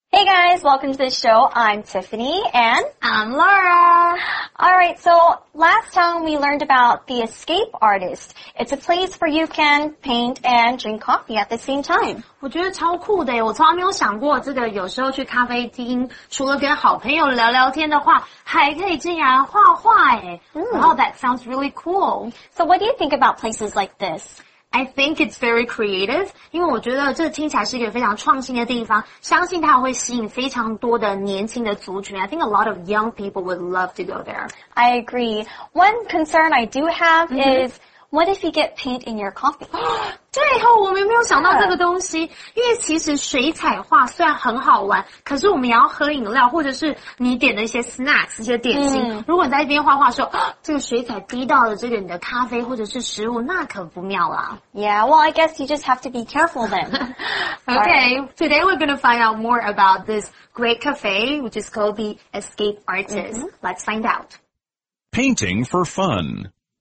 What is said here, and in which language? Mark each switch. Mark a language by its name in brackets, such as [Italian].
[English] guys, welcome to the show. I'm Tiffany and I'm Laura. Alright, so last time we learned about the escape artist. It's a place where you can paint and drink coffee at the same time. [Chinese] 我觉得超酷的耶，我从来没有想过这个有时候去咖啡厅除了跟好朋友聊聊天的话还可以竟然画画耶。 [English] Wow, that sounds really cool. So what do you think about places like this? I think it's very creative, [Chinese] 因为我觉得这听起来是一个非常创新的地方，相信它会吸引非常多的年轻的族群。 [English] I think a lot of young people would love to go there. I agree. One concern I do have is, what if you get paint in your coffee? [Chinese] 对哦，我们没有想到这个东西，因为其实水彩画虽然很好玩，可是我们也要喝饮料，或者是你点的一些 snacks, 一些点心。如果你在一边画画的时候，这个水彩滴到了这个你的咖啡或者是食物，那可不妙啦。 [English] Yeah, well, I guess you just have to be careful then. Okay, today we're going to find out more about this great cafe, which is called the Escape Artist. Let's find out. Painting for fun.